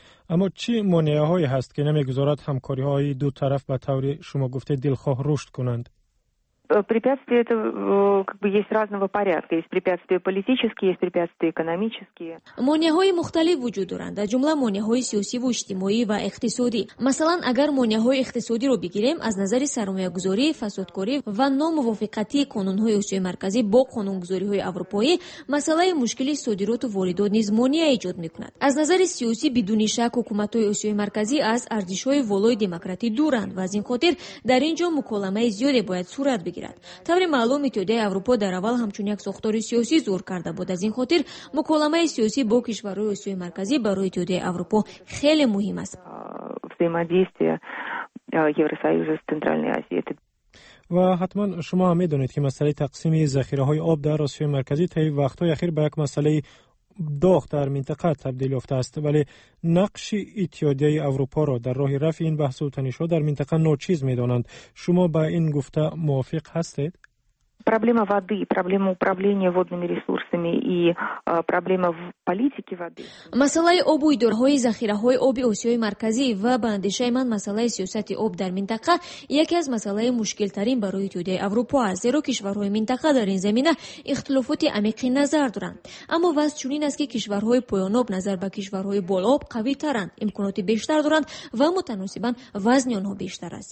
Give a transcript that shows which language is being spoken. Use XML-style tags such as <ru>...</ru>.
<fa>اما چی مانعه هایی هست که نمی گذارد همکاری های دو طرف به طور شما گفته دلخواه رشد کنند؟</fa> <ru>препятствия это как бы есть разного порядка, есть препятствия политические, есть препятствия экономические.</ru> <tg>Монеҳои мухталиф вуҷуд доранд, аз ҷумла монеҳои сиёсӣ ва иҷтимоӣ ва иқтисодӣ. Масалан, агар монеҳои иқтисодиро бигирем, аз назари сармоягузорӣ, фасодкорӣ ва номувофиқатии қонунҳои Осиёи марказӣ бо қонунгузориҳои аврупоӣ, масалаи мушкили содироту воридот низ монеа иҷод мекунад. Аз назари сиёсӣ бидуни шак ҳукуматҳои Осиёи марказӣ аз ардишҳои волои демократӣ дуранд ва аз ин хотир дар ин ҷо муколамаи зиёде бояд сурат</tg> <fa>بگیرد. طوری معلوم اتحادیه اروپا در اول همچون یک ساختار سیاسی زور کرده بود. از این خاطر مکالمه سیاسی با کشورهای آسیای مرکزی برای اتحادیه اروپا خیلی مهم است. و حتما شما هم میدونید که مسئله تقسیم ذخیره های آب در آسیای مرکزی طی وقت های اخیر به یک مسئله داغ در منطقه تبدیل یافته است، ولی نقش اتحادیه اروپا را در راه رفع این بحث و تنش‌ها در منطقه ناچیز می‌دانند. شما با این گفته موافق هستید؟</fa> <ru>Проблема воды, проблема управления водными ресурсами и проблема в политике воды.</ru> <tg>Масалаи об уйдорҳои захираҳои оби Осиёи марказӣ ва ба андешаи ман масалаи сиёсати об дар минтақа яке аз масалаи мушкилтарин барои Иттиҳодияи Аврупо аст, зеро кишварҳои минтақа дар ин замина ихтилофоти амиқи назар доранд. Аммо вас чунин аст ки кишварҳои поёноб назар ба кишварҳои болооб қавитаранд, имконоти бештар доранд ва мутаносибан вазни онҳо бештар аст.</tg>